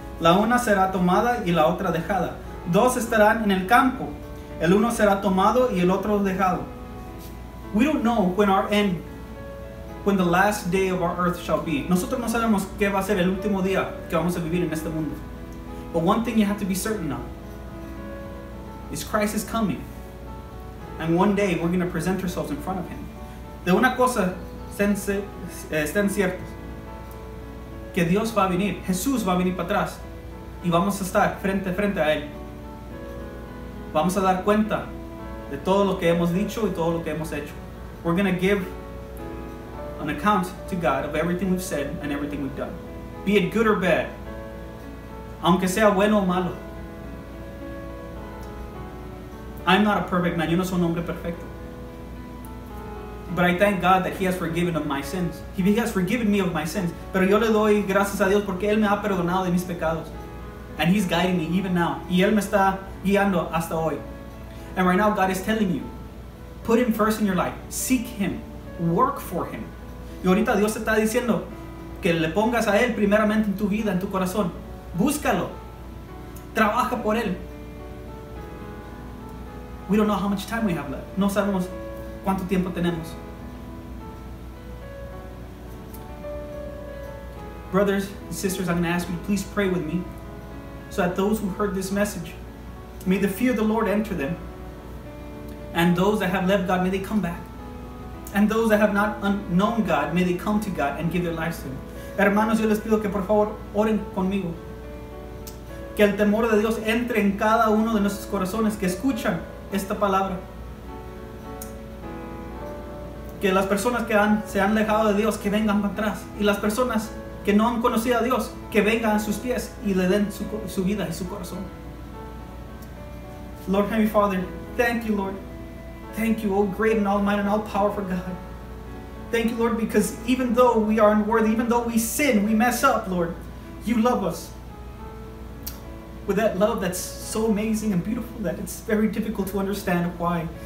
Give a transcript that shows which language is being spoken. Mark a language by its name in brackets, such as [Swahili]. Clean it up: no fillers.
[Spanish] La una será tomada y la otra dejada. Dos estarán en el campo. El uno será tomado y el otro dejado. [English] We don't know when our end, when the last day of our earth shall be. [Spanish] Nosotros no sabemos qué va a ser el último día que vamos a vivir en este mundo. [English] But one thing you have to be certain of is Christ is coming. And one day we're going to present ourselves in front of Him. [Spanish] De una cosa estén ciertos. Que Dios va a venir. Jesús va a venir para atrás. Y vamos a estar frente a Él. Vamos a dar cuenta de todo lo que hemos dicho y todo lo que hemos hecho. [English] We're going to give an account to God of everything we've said and everything we've done. Be it good or bad. [Spanish] Aunque sea bueno o malo. [English] I'm not a perfect man. [Spanish] Yo no soy un hombre perfecto. [English] But I thank God that He has forgiven of my sins. He has forgiven me of my sins. [Spanish] Pero yo le doy gracias a Dios porque Él me ha perdonado de mis pecados. [English] And He's guiding me even now. [Spanish] Y Él me está guiando hasta hoy. [English] And right now God is telling you, Put him first in your life. Seek him. Work for him. [Spanish] Y ahorita Dios te está diciendo que le pongas a él primeramente en tu vida, en tu corazón. Búscalo. Trabaja por él. [English] We don't know how much time we have left. [Spanish] No sabemos cuánto tiempo tenemos. [English] Brothers and sisters, I'm going to ask you to please pray with me so that those who heard this message, may the fear of the Lord enter them. And those that have left God, may they come back. And those that have not known God, may they come to God and give their lives to Him. [Spanish] Hermanos, yo les pido que por favor oren conmigo. Que el temor de Dios entre en cada uno de nuestros corazones que escuchan esta palabra. Que las personas que se han alejado de Dios, que vengan para atrás. Y las personas que no han conocido a Dios, que vengan a sus pies y le den su vida y su corazón. [English] Lord Heavenly Father, thank you, Lord. Thank you, oh great and almighty and all-powerful God. Thank you, Lord, because even though we are unworthy, even though we sin, we mess up, Lord, you love us. With that love that's so amazing and beautiful that it's very difficult to understand why.